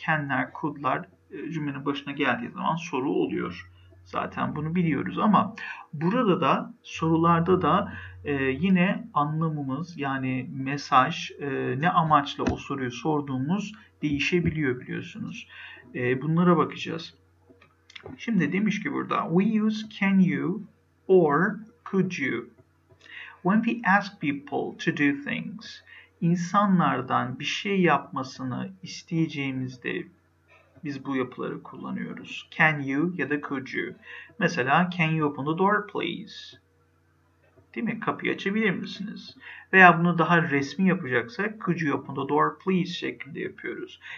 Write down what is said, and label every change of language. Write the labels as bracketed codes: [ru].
[tr] Can'ler, could'lar cümlenin başına geldiği zaman soru oluyor. Zaten bunu biliyoruz ama burada da sorularda da yine anlamımız yani mesaj ne amaçla o soruyu sorduğumuz değişebiliyor biliyorsunuz. Bunlara bakacağız. Şimdi demiş ki burada [en] we use can you or could you when we ask people to do things. [tr] İnsanlardan bir şey yapmasını isteyeceğimizde biz bu yapıları kullanıyoruz. [en] Can you ya da could you? Mesela can you open the door please? [tr] Değil mi? Kapıyı açabilir misiniz? Veya bunu daha resmi yapacaksak [en] could you open the door please [tr] şeklinde yapıyoruz.